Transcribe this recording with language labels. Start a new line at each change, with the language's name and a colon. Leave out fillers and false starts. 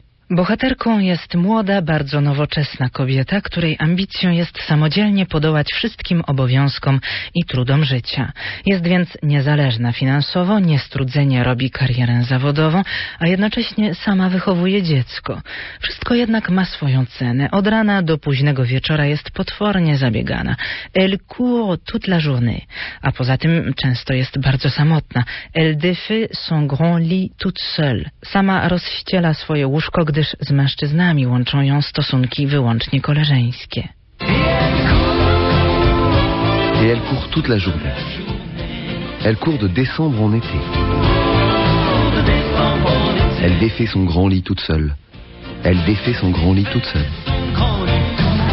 Polish: Bohaterką jest młoda, bardzo nowoczesna kobieta, której ambicją jest samodzielnie podołać wszystkim obowiązkom i trudom życia. Jest więc niezależna finansowo, niestrudzenie robi karierę zawodową, a jednocześnie sama wychowuje dziecko. Wszystko jednak ma swoją cenę. Od rana do późnego wieczora jest potwornie zabiegana.
French: Elle court toute la journée.
Polish: A poza tym często jest bardzo samotna.
French: Elle défait son grand lit toute seule.
Polish: Sama rozściela swoje łóżko, gdyż z mężczyznami łączą ją stosunki wyłącznie koleżeńskie.
French: Et elle court toute la journée. Elle court de décembre en été. Elle défait son grand lit toute seule. Elle défait son grand lit toute seule.